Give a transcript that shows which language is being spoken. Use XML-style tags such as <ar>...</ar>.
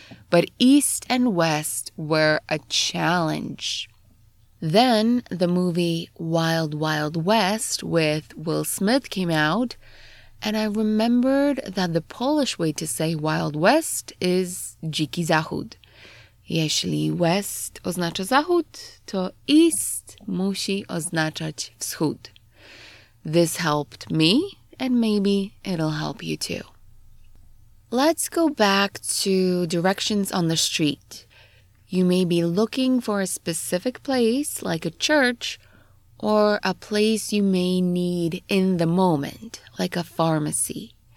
<en>But east and west were a challenge. Then the movie Wild Wild West with Will Smith came out, and I remembered that the Polish way to say Wild West is</en> <pl>Dziki Zachód. Jeśli West oznacza Zachód, to East musi oznaczać Wschód.</pl> <en>This helped me, and maybe it'll help you too. Let's go back to directions on the street. You may be looking for a specific place, like a church, or a place you may need in the moment, like a pharmacy.</en>